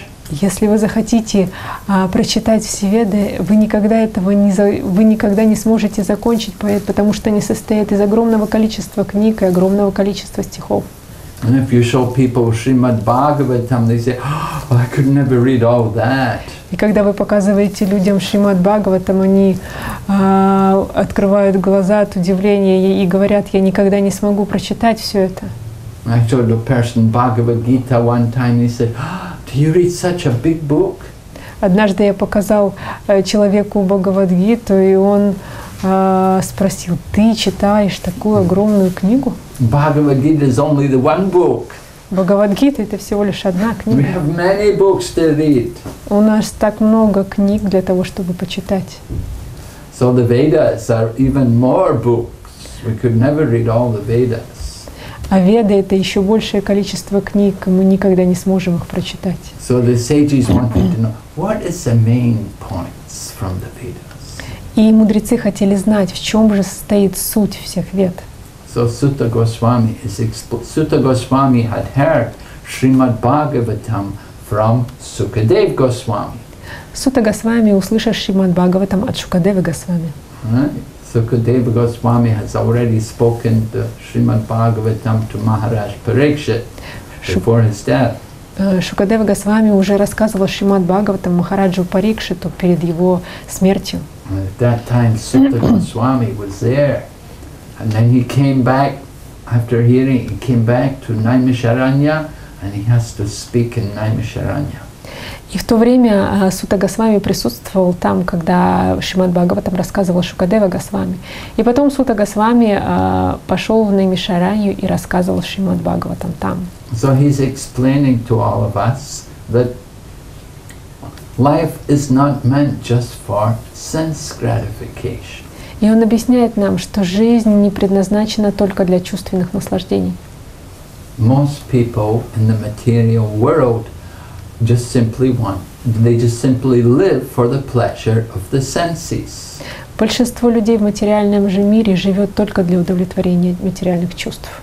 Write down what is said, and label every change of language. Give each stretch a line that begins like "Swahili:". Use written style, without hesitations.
Russian: Если вы захотите прочитать все Веды, вы никогда не сможете закончить, потому что они состоят из огромного количества книг и огромного количества стихов.
English: And if you show people Srimad Bhagavatam, they say, oh, I could never read all that.
Russian: И когда вы показываете людям Шримад Бхагаватам, они открывают глаза от удивления и говорят, я никогда не смогу прочитать все это.
English: I told a person Bhagavad Gita one time, he said, do you read such a big book?
Russian: Однажды я показал человеку Бхагавад-гиту, и он спросил, ты читаешь такую огромную книгу?
English: Bhagavad-gita is only the one book.
Russian: Бхагавад-гита — это всего лишь одна книга.
English: We have many books to read.
Russian: У нас так много книг для того, чтобы почитать.
English: So the Vedas are even more books. We could never read all the Vedas.
Russian: А веды — это еще большее количество книг, и мы никогда не сможем их прочитать.
English: So the sages wanted to know what is the main points from the Vedas.
Russian: И мудрецы хотели знать, в чем же состоит суть всех вед.
English: So Sutta Goswami is Sutta Goswami had heard Srimad Bhagavatam from Sukadev Goswami.
Russian: Сутта Госвами услышал Шримад Бхагаватам от Шукадевы Госвами.
English: Sukadeva Goswami has already spoken the Srimad Bhagavatam to Maharaj Parikshit before his death.
Russian: Shukadeva Goswami уже рассказывал Шримад Бхагаватам Махараджу Парикшиту перед его смертью.
English: At that time Sutta Goswami was there. And then he came back after hearing, he came back to Naimisharanya and he has to speak in Naimisharanya.
Russian: И в то время Сутта Госвами присутствовал там, когда Шримад Бхагаватам рассказывал Шукадева Госвами. И потом Сутта Госвами пошел в Наймишаранью и рассказывал Шримад Бхагаватам там.
English: So he's explaining to all of us that life is not meant just for sense gratification.
Russian: И он объясняет нам, что жизнь не предназначена только для чувственных наслаждений.
English: Most people in the material world just simply one. They just simply live for the pleasure of the senses.
Russian: Большинство людей в материальном же мире живет только для удовлетворения материальных чувств.